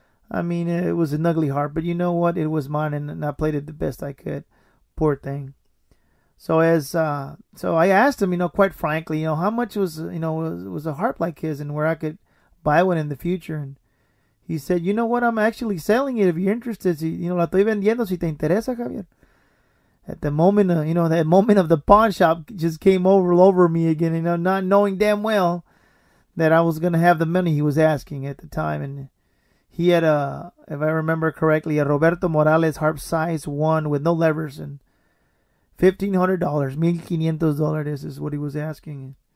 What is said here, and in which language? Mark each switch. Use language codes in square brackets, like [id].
[en] I mean, it was an ugly harp, but you know what? It was mine, and I played it the best I could. Poor thing. So I asked him, you know, quite frankly, you know, how much was a harp like his and where I could buy one in the future. And he said, you know what? I'm actually selling it if you're interested. You know, [es] la estoy vendiendo si te interesa, Javier. [en] At the moment, you know, that moment of the pawn shop just came over me again, you know, not knowing damn well that I was going to have the money he was asking at the time. And he had if I remember correctly, a Roberto Morales harp size 1 with no levers, and $1,500, $1,500 is what he was asking.